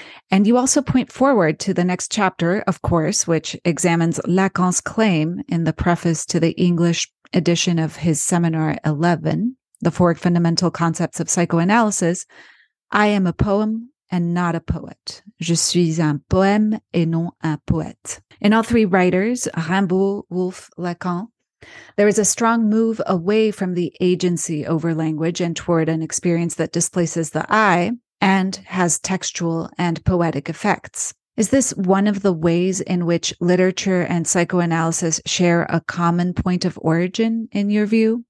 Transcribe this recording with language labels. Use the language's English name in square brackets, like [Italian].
[English] And you also point forward to the next chapter, of course, which examines Lacan's claim in the preface to the English edition of his seminar 11, The Four Fundamental Concepts of Psychoanalysis, I am a poem and not a poet. [French] Je suis un poème et non un poète. [English] In all three writers, Rimbaud, Wolff, Lacan, there is a strong move away from the agency over language and toward an experience that displaces the I and has textual and poetic effects. Is this one of the ways in which literature and psychoanalysis share a common point of origin, in your view?